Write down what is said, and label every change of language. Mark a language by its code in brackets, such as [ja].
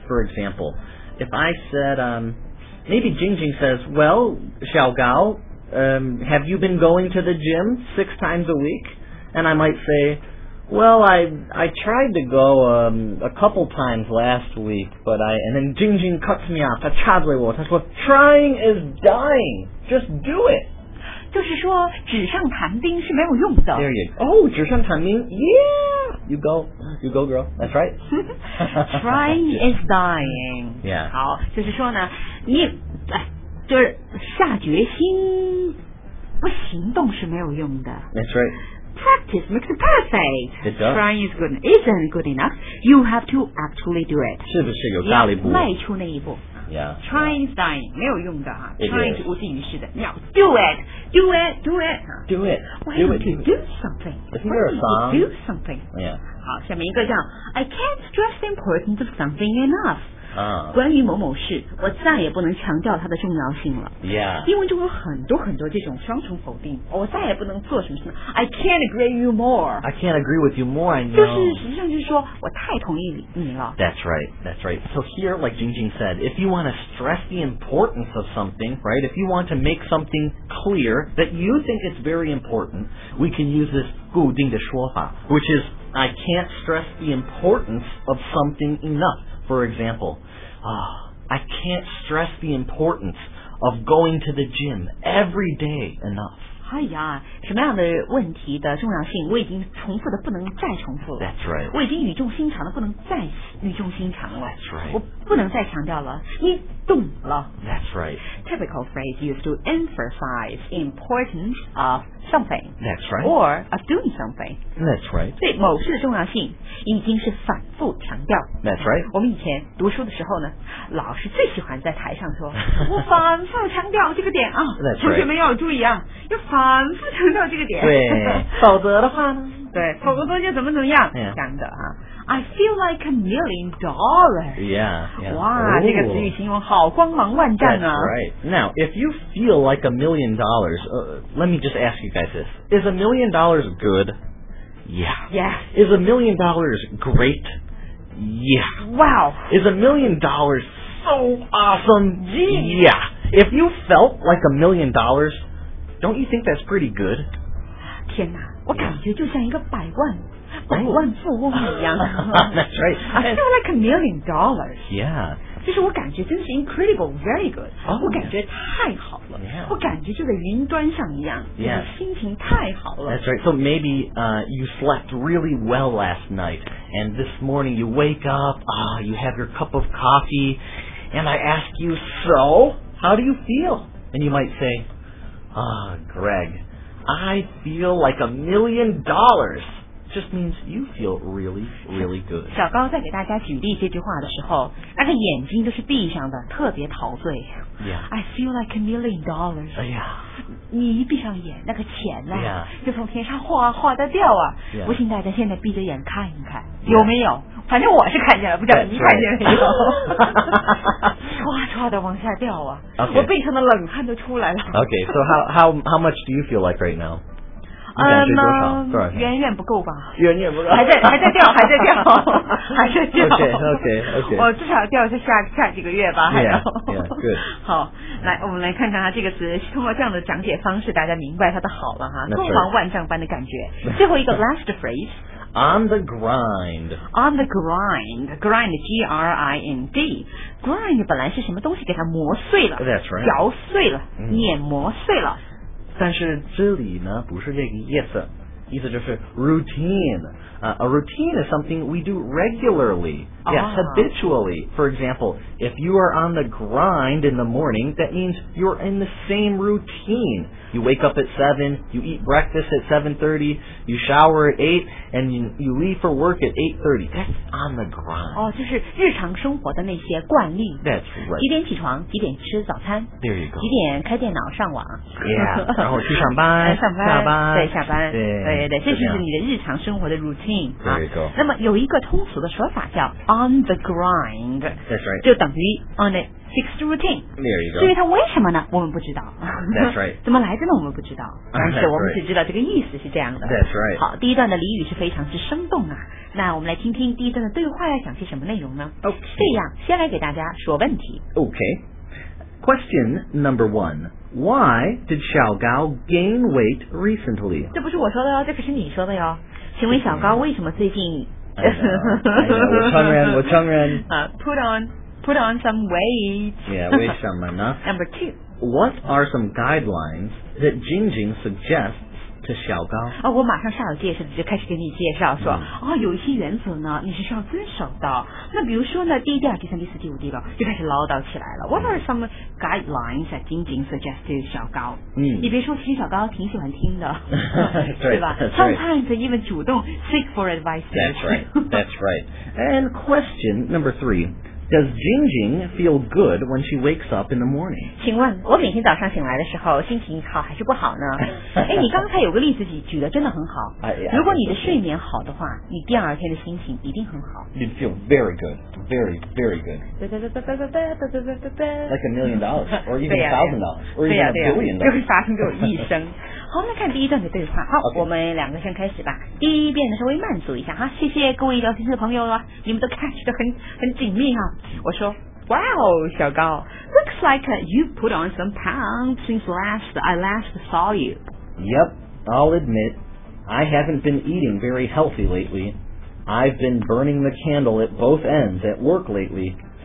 [en] For example, if I said, maybe Jing Jing says, well, Xiao Gao, have you been going to the gym 6 times a week? And I might say, well, I tried to go a couple times last week, but I, and then Jing Jing cuts me off. [zh] 他插嘴我，他说, [en] trying is dying. Just do it. [zh] 就是说纸上谈兵是没有用的。 [en] There you go. Oh, [zh] 纸上谈兵 [en] Yeah, you go girl, that's right. Trying is dying. Yeah. [zh] 好，就是说呢，你就是下决心不行动是没有用的。 [en] That's right. Practice makes it perfect. It does. Trying is good, isn't good enough. You have to actually do it. [zh] 是不是有大力步迈出那一步。 [en] Yeah, trying is dying, [zh] 没有用的啊。 [en] Trying is [zh] 无济于事的。 [en] Now, do it, do it, do it. Do it, why do don't it, you do something? If you're a song. Do something. Yeah. [zh] 好，下面一个叫 [en] I can't stress the importance of something enough. [zh] 关于某某事，我再也不能强调它的重要性了。 [en] Yeah. [zh] 英文中有很多很多这种双重否定。我再也不能做什么什么。 [en] I can't agree with you more. I can't agree with you more, I know. [zh] 就是实际上就是说我太同意你了。 [en] That's right, that's right. So here, like Jing Jing said, if you want to stress the importance of something, right, if you want to make something clear that you think it's very important, we can use this [zh] 固定的说法, [en] which is, I can't stress the importance of something enough. For example, I can't stress the importance of going to the gym every day enough. [zh] 哎呀，什么样的问题的重要性，我已经重复的不能再重复了。 [en] That's right. [zh] 我已经语重心长的不能再语重心长了。 [en] That's right. [zh] 我不能再强调了，你懂了。 [en] That's right. Typical phrase used to emphasize importance of something. That's right. Or of doing something. That's right. [zh] 对某事的重要性。已经是反复强调。 [en] That's right. [zh] 我们以前读书的时候呢，老师最喜欢在台上说，我反复强调这个点啊， [en] That's [zh] 同学们要注意啊， [en] right. [zh] 要反复强调这个点。对，否则的话呢？对，否则的话就怎么怎么样？ [en] Yeah. [zh] 这样的啊。 [en] I feel like $1 million. Yeah, yeah. [zh] 哇，这个词语形容好光芒万丈啊。 [en] That's right. Now, if you feel like $1 million, let me just ask you guys this. Is $1 million good? Yeah. Yes. Is $1 million great? Yeah. Wow. Is $1 million so awesome? Jeez. Yeah. If you felt like $1 million, don't you think that's pretty good? [zh] 天哪，我感觉就像一个百万、百万富翁一样。 [en] That's right. I feel like $1 million. Yeah. [zh] 就是我感觉真的是 [en] incredible, very good、 oh, [zh] 我感觉太好了、 [en] yeah. [zh] 我感觉就在云端上一样、 [en] yeah. [zh] 我的心情太好了 [en] That's right, so maybe、you slept really well last night and this morning you wake up、you have your cup of coffee and I ask you, so, how do you feel? And you might say, Greg, I feel like $1 million. Just means you feel really, really good. [zh] 小高在给大家举例这句话的时候，那个眼睛都是闭上的，特别陶醉。 [en] Yeah. I feel like $1 million. [zh] 哎呀，你一闭上眼，那个钱呢， [en] yeah. [zh] 就从天上哗哗的掉啊！ [en] Yeah. [zh] 不信大家现在闭着眼看一看， [en] yeah. [zh] 有没有？反正我是看见了，不知道你看见没有？ [en] That's right. [zh] 哗哗的往下掉啊！ [en] Okay. [zh] 我背上的冷汗都出来了。 [en] Okay, so how much do you feel like right now? [zh] 远远不够吧？远远不够，还在掉，还在掉，还在掉。 [en] OK. [zh] 我至少掉下下几个月吧，还要。 [en] Yeah, yeah, good. [zh] 好，来，我们来看看啊，这个词是通过这样的讲解方式，大家明白它的好了哈，光芒万丈般的感觉。最后一个 [en] last phrase。 On the grind. On the grind. Grind, G-R-I-N-D. [zh] Grind 本来是什么东西，给它磨碎了。 [en] That's right. [zh] 摇碎了，碾磨碎了。但是这里呢不是这个意思，意思就是 [en] routine. A routine is something we do regularly. Yes, habitually. For example, if you are on the grind in the morning, that means you're in the same routine. You wake up at 7, you eat breakfast at 7:30, you shower at 8, and you leave for work at 8:30. That's on the grind. [zh] 哦，就是日常生活的那些惯例。 [en] That's right. [zh] 几点起床，几点吃早餐。 [en] There you go. [zh] 几点开电脑上网。 Yeah, 然后去上班，上班，下班，对，下班。对，对对，这就是你的日常生活的 routine。 [en] There you go. [zh] 那么有一个通俗的说法叫 [en] on the grind. That's right. [zh] 就等于 [en] on it. Fixed routine. There you go. [zh] 至于它为什么呢？我们不知道。 [en] That's right. [zh] 怎么来的呢？我们不知道。但是我们只知道这个意思是这样的。 [en] That's right. [zh] 好，第一段的俚语是非常之生动啊。那我们来听听第一段的对话要讲些什么内容呢 [en] ？Okay. [zh] 这样，先来给大家说问题。 [en] Okay. Question number one. Why did Xiao Gao gain weight recently? [zh] 这不是我说的哦，这可是你说的哟。请问小高为什么最近？我承认。 [en] Put on some weight. [zh] Yeah, 为什么呢? [en] Number two. What are some guidelines that Jingjing suggests to Xiao Gao? [zh] 哦，我马上下有介绍的就开始给你介绍说，哦，有一些原则呢，你是需要遵守的。那比如说呢，第一、第二、第三、第四、第五、第六，就开始唠叨起来了。 [en] What are some guidelines that Jingjing suggests to Xiao Gao? [zh] 嗯，你别说，其实小高挺喜欢听的，对 [en] 吧 ？Sometimes they even 主动 seek for advice. That's right. That's right. And question number three. Does Jingjing feel good when she wakes up in the morning? [zh] 请问我每天早上醒来的时候心情好还是不好呢？哎，你刚才有个例子举得真的很好。如果你的睡眠好的话，你第二天的心情一定很好。 [en] You'd feel very good, very, very good. Like $1 million, or even $1,000, or even $1 billion. [zh] 就会发生这种一生。好，那看第一段的对话。好， [en] okay. [zh] 我们两个先开始吧。第一遍呢，稍微慢速一下哈。谢谢各位聊天室的朋友啊，你们都 catch 得很紧密哈。我说 [en] ，Wow， 小高 ，looks like you put on some pounds since I last saw you. Yep, I'll admit, I haven't been eating very healthy lately. I've been burning the candle at both ends at work lately.